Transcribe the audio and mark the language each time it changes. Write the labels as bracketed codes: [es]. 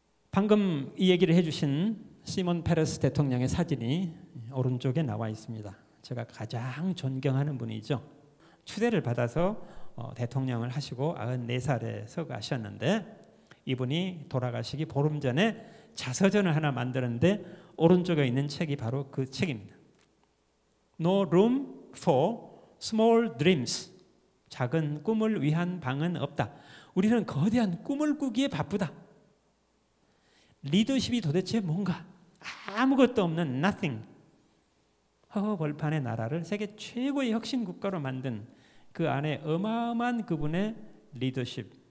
[ko] 방금 이 얘기를 해주신 시몬 페레스 대통령의 사진이 오른쪽에 나와 있습니다. 제가 가장 존경하는 분이죠. 추대를 받아서 대통령을 하시고 94살에 서거하셨는데 이분이 돌아가시기 보름 전에 자서전을 하나 만들었는데 오른쪽에 있는 책이 바로 그 책입니다. [en] No room for small dreams. [ko] 작은 꿈을 위한 방은 없다. 우리는 거대한 꿈을 꾸기에 바쁘다. 리더십이 도대체 뭔가? 아무것도 없는 nothing. 허허 벌판의 나라를 세계 최고의 혁신 국가로 만든 그 안에 어마어마한 그분의 리더십.